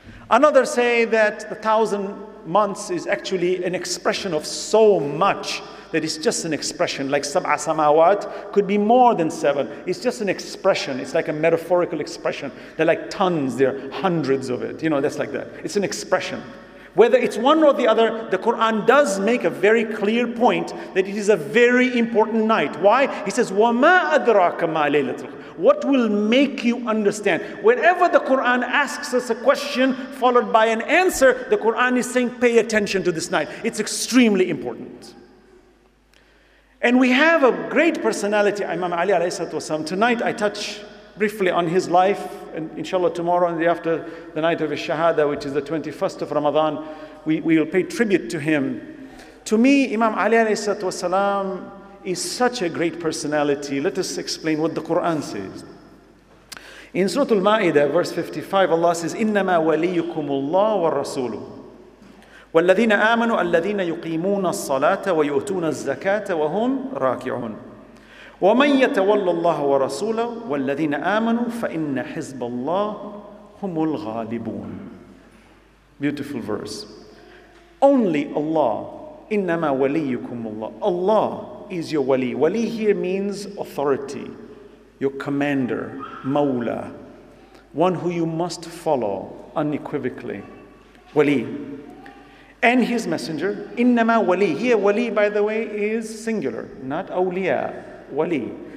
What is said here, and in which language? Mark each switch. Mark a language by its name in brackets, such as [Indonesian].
[English] Another say that 1,000 months is actually an expression of so much that it's just an expression, like sab'a samawat could be more than seven. It's just an expression. It's like a metaphorical expression. They're like tons, they're hundreds of it. You know, that's like that. It's an expression. Whether it's one or the other, the Quran does make a very clear point that it is a very important night. Why? [Arabic] He says, وَمَا أَدْرَاكَ مَا لَيْلَةُ. [English] What will make you understand? Whenever the Quran asks us a question followed by an answer, the Quran is saying, pay attention to this night. It's extremely important. And we have a great personality, Imam Ali alayhi salatu wasalam. Tonight I touch briefly on his life, and inshallah tomorrow and the after the night of his Shahada, which is the 21st of Ramadan, we will pay tribute to him. To me, Imam Ali alayhi salatu wasalam is such a great personality. Let us explain what the Quran says. In Surah Al-Ma'idah, verse 55, Allah says, [Arabic] إِنَّمَا وَلِيُّكُمُ اللَّهُ وَالرَّسُولُ وَالَّذِينَ آمَنُوا الَّذِينَ يُقِيمُونَ الصَّلَاةَ وَيُؤْتُونَ الزَّكَاةَ وَهُمْ رَاكِعُونَ وَمَنْ يَتَوَلَّ اللَّهَ وَرَسُولَهُ وَالَّذِينَ آمَنُوا فَإِنَّ حِزْبَ اللَّهِ هُمُ الْغَالِبُونَ. [English] Beautiful verse. Only Allah, [Arabic] إِنَّمَا وَلِيُّكُمُ اللَّهُ. [English] Allah is your wali. Wali here means authority, your commander, mawla, one who you must follow unequivocally. Wali. And his messenger, innama wali. Here, wali, by the way, is singular, not awliya, wali.